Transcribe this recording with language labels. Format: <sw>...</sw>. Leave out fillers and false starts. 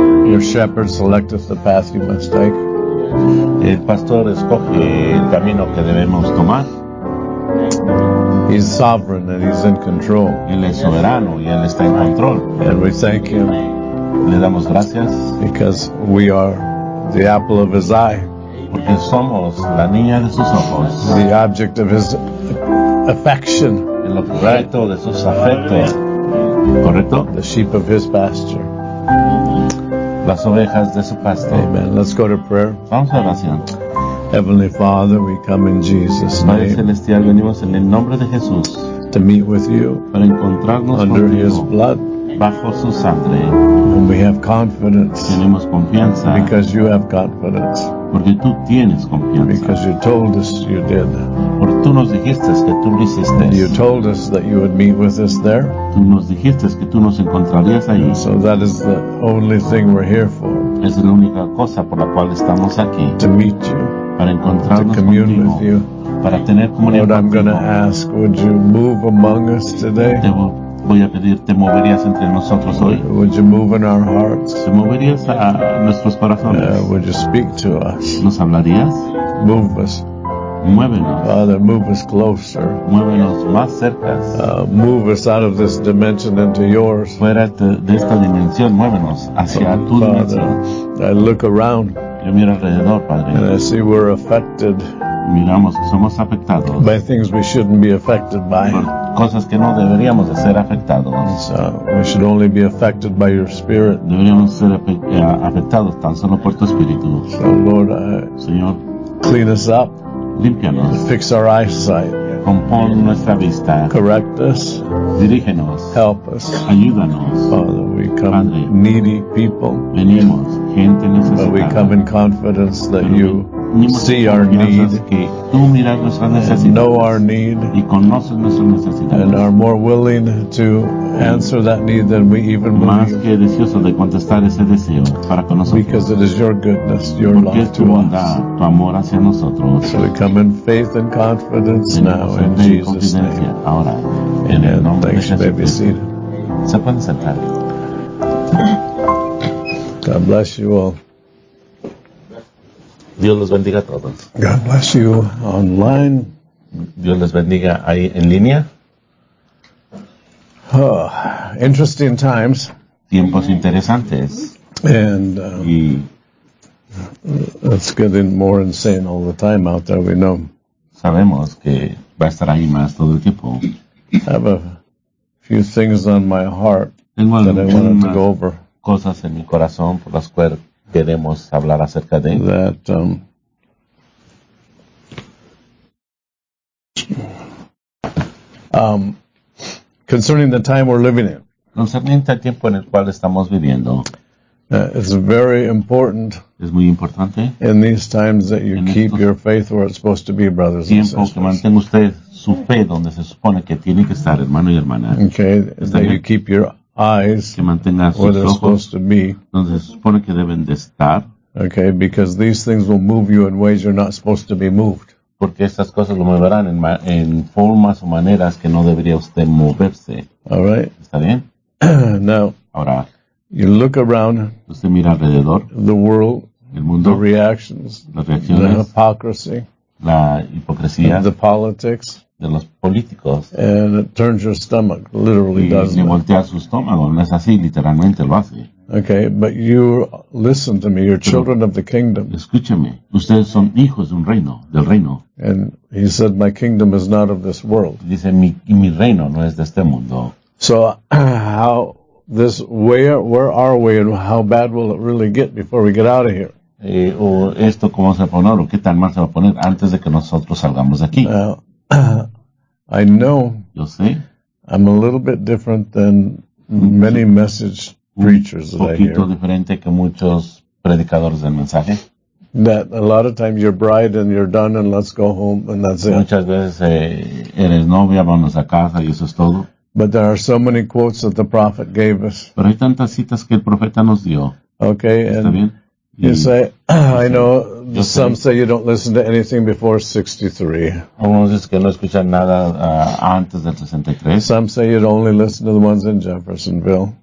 <en>Your shepherd selecteth the path you must take.</en> <es>El pastor escoge el camino que debemos tomar.</es> <en>He's sovereign and he's in control.</en> <es>Él es soberano y él está en control.</es> <en>And we thank him.</en> <es>Le damos gracias.</es> <en>Because we are the apple of his eye.</en> <es>Porque somos la niña de sus ojos.</es> <en>The object of his affection.</en> <es>El objeto de sus afectos.</es> <en>Correcto. The sheep of his pasture.</en> <es>Las ovejas de su pasto.</es> <en>Amen. Let's go to prayer.</en> <es>Vamos a oración.</es> <en>Heavenly Father, we come in Jesus' name.</en> <es>Padre celestial, venimos en el nombre de Jesús.</es> <en>To meet with you.</en> <es>Para encontrarnos</es> <en>under</en> <es>contigo.</es> <en>His blood.</en> <es>Bajo su sangre.</es> <en>And we have confidence.</en> <es>Tenemos confianza.</es> <en>Because you have confidence.</en> <es>Porque tú tienes confianza.</es> <en>Because you told us you did.</en> <es>Porque tú nos dijiste que tú lo hiciste.</es> <en>You told us that you would meet with us there.</en> <es>Tú nos dijiste que tú nos encontrarías allí.</es> <en>So that is the only thing we're here for.</en> <es>Es la única cosa por la cual estamos aquí.</es> <en>To meet you.</en> <es>Para encontrarnos</es> <en>to commune</en> <es>contigo.</es> <en>With you.</en> <es>Para tener comunión</es> <en>contigo. Lord, I'm going to ask, would you move among us today?</en> <es>Voy a pedir, ¿te moverías entre nosotros hoy?</es> <en>Would you move in our hearts?</en> <es>¿Te moverías a nuestros corazones?</es> <en>Would you speak to us?</en> <es>¿Nos hablarías?</es> <en>Move us.</en> <es>Muévenos.</es> <en>Father, move us closer.</en> <es>Muévenos más cerca.</es> <en>Move us out of this dimension into yours.</en> <es>Fuera de esta dimensión, muévenos hacia tu</es> <en>Father,</en> <es>dimensión.</es> <en>I look around.</en> <es>Yo miro alrededor, Padre.</es> <en>And I see we're affected.</en> <es>Miramos, somos afectados.</es> <en>By things we shouldn't be affected by.</en> <es>Cosas que no deberíamos de ser afectados.</es> <en>So we should only be affected by your spirit.</en> <es>Deberíamos ser afectados tan solo por tu espíritu.</es> <en>So Lord,</en> <es>Señor,</es> <en>clean us up.</en> <es>Límpianos.</es> <en>Fix our eyesight.</en> <es>Compón nuestra vista.</es> <en>Correct us.</en> <es>Dirígenos.</es> <en>Help us.</en> <es>Ayúdanos.</es> <en>Father, we come</en> <es>Padre,</es> <en>needy people.</en> <es>Venimos gente necesitada.</es> <en>But we come in confidence that you see our need,</en> <es>que tú miras nuestra necesidad,</es> <en>know our need,</en> <es>y conoces nuestra necesidad,</es> <en>and are more willing to answer that need than we even</en> <es>más</es> <en>believe.</en> <es>Que deseoso de contestar ese deseo para con nosotros.</es> <en>Because it is your goodness, your</en> <es>porque</es> <en>love</en> <es>tu bondad,</es> <en>to us,</en> <es>tu amor hacia nosotros.</es> <en>So we come in faith and confidence now in Jesus' name.</en> <es>Ahora, en el nombre</es> <en>thanks,</en> <es>de Jesús.</es> <en>Baby, seated.</en> <es>Se pueden sentar.</es> <en>God bless you all.</en> <es>Dios los bendiga a todos.</es> <en>God bless you online.</en> <es>Dios les bendiga ahí en línea.</es> <en>Oh, interesting times.</en> <es>Tiempos interesantes.</es> <en>And it's getting more insane all the time out there, we know.</en> <es>Sabemos que va a estar ahí más todo el tiempo.</es> <en>I have a few things on my heart that I wanted to go over.</en> <es>Cosas en mi corazón por las cuerdas. Queremos hablar acerca de</es> <en>that, concerning the time we're living in.</en> <es>Concerniente al tiempo en el cual estamos viviendo.</es> <en>It's very important.</en> <es>Es muy importante.</es> <en>In these times that you keep your faith where it's supposed to be, brothers and sisters.</en> <es>Tiempo que mantenga usted su fe donde se supone que tiene que estar, hermano y hermana.</es> <en>Okay, that you keep your eyes</en> <es>que mantenga sus</es> <en>where they're</en> <es>ojos,</es> <en>supposed to be.</en> <es>Donde se supone que deben de estar.</es> <en>Okay, because these things will move you in ways you're not supposed to be moved.</en> <es>Porque estas cosas lo moverán en formas o maneras que no debería usted moverse.</es> <en>All right.</en> <es>¿Está bien?</es> <en>Now,</en> <es>ahora,</es> <en>you look around.</en> <es>Usted mira alrededor.</es> <en>The world.</en> <es>El mundo.</es> <en>The reactions.</en> <es>Las reacciones.</es> <en>The hypocrisy.</en> <es>La hipocresía.</es> <en>The politics.</en> <es>De los políticos.</es> <en>And it turns your stomach, literally, doesn't it?</en> <es>Y voltea su estómago, no es así, literalmente lo hace.</es> <en>Okay, but you listen to me, you're children of the kingdom.</en> <es>Escúcheme, ustedes son hijos de un reino, del reino.</es> <en>And he said, my kingdom is not of this world.</en> <es>Dice, mi reino no es de este mundo.</es> <en>So, where are we and how bad will it really get before we get out of here?</en> <es>O esto, ¿cómo se va a poner? ¿O qué tan mal se va a poner antes de que nosotros salgamos de aquí?</es> <en>I know.</en> <es>Yo sé.</es> <en>I'm a little bit different than many message preachers that I hear.</en> <es>Un poquito diferente que muchos predicadores del mensaje.</es> <en>That a lot of times you're bride and you're done and let's go home and that's it.</en> <es>Muchas veces eres novia, vamos a casa y eso es todo.</es> <en>But there are so many quotes that the prophet gave us.</en> <es>Pero hay tantas citas que el profeta nos dio.</es> <en>Okay,</en> <es>¿está</es> <en>and</en> <es>bien?</es> <en>You say, I know Some say you don't listen to anything before 63. Some say you'd only listen to the ones in Jeffersonville.</en>